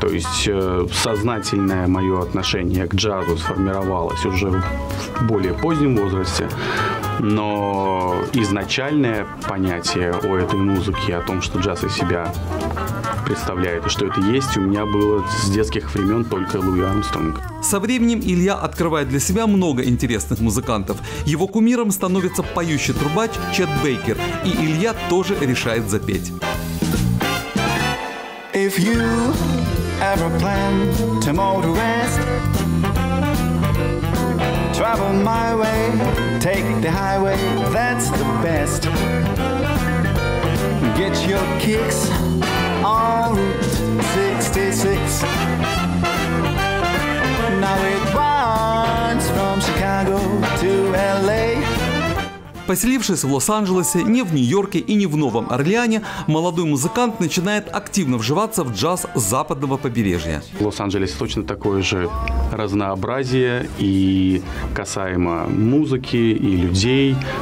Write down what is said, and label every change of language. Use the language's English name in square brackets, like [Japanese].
[Russian] То есть сознательное мое отношение к джазу сформировалось уже в более позднем возрасте, но изначальное понятие о этой музыке, о том, что джаз из себя представляет, что это есть, у меня было с детских времен только Луи Армстронг. Со временем Илья открывает для себя много интересных музыкантов. Его кумиром становится поющий трубач Чет Бейкер, и Илья тоже решает запеть. [English] If you ever plan to mow to rest, travel my way, take the highway, that's the best. Get your kicks on Route 66. Now it runs from Chicago to LA. [Russian] Поселившись в Лос-Анджелесе, не в Нью-Йорке и не в Новом Орлеане, молодой музыкант начинает активно вживаться в джаз западного побережья. Лос-Анджелес точно такое же разнообразие и касаемо музыки и людей.